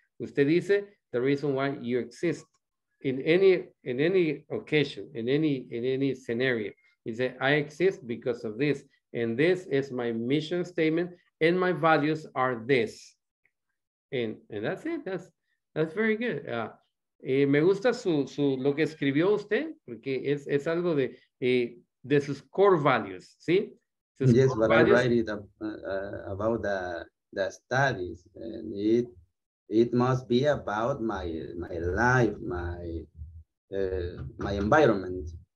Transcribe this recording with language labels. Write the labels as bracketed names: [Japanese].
[Spanish] Usted dice [English] the reason why you exist in any occasion, in any scenario. You say, I exist because of this. And this is my mission statement, and my values are this. And that's it. That's very good. [Spanish] Me gusta su lo que escribió usted, porque es algo de sus core values, ¿sí? Sus [English] yes, core but values. I write it about the studies, and it must be about my life, my environment.